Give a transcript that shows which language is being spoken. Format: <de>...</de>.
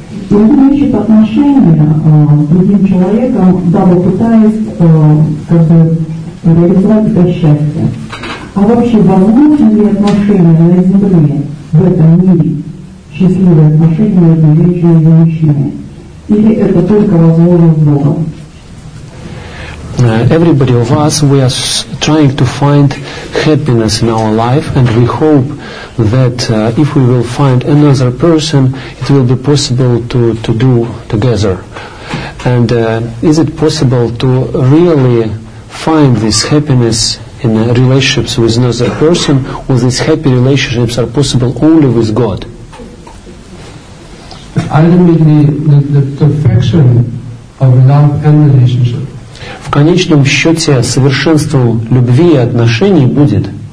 <ru>И он ищет отношения с другим человеком, дабы пытаясь как бы реализовать это счастье. А вообще, возможны ли отношения на Земле, в этом мире, счастливые отношения между женщиной и мужчиной? Или это только возможно с Богом?</ru> <en>Everybody of us, we are trying to find happiness in our life, and we hope that if we will find another person, it will be possible to do together. And is it possible to really find this happiness in relationships with another person, or these happy relationships are possible only with God? I don't mean the perfection of love and relationship.</en> <ru>В конечном счете совершенство любви и отношений будет.</ru>